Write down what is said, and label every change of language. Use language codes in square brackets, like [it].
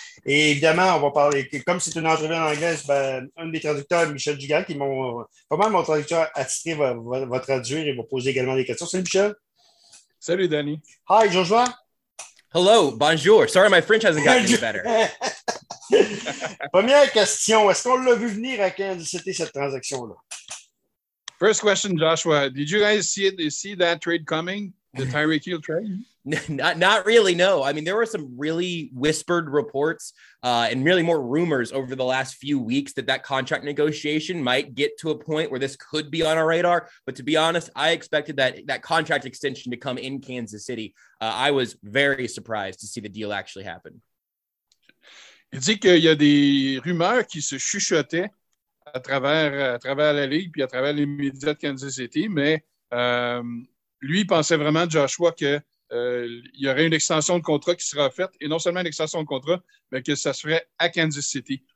[fr] Et évidemment, on va parler, comme c'est une entrevue en anglais, ben, un des traducteurs, Michel Dugal, qui m'ont, pas mal mon traducteur attitré, va traduire et va poser également des questions. Salut Michel. Salut, Danny. [en] Hi, Joshua. Hello, bonjour. Sorry, my French hasn't gotten any [fr] Bonjour. [en] better. [fr] Première question, est-ce qu'on l'a vu venir à Kansas City cette transaction-là? [en] First question, Joshua. Did you guys see that trade coming, the Tyreek Hill trade? Not really, no. I mean, there were some really whispered reports and really more rumors over the last few weeks that that contract negotiation might get to a point where this could be on our radar. But to be honest, I expected that contract extension to come in Kansas City. I was very surprised to see the deal actually happen. [fr] Il dit qu'il y a des rumeurs qui se chuchotaient à travers la Ligue puis à travers les médias de Kansas City, mais lui pensait vraiment, Joshua, que il y aurait une extension de contrat qui sera faite, et non seulement une extension de contrat, mais que ça serait à Kansas City.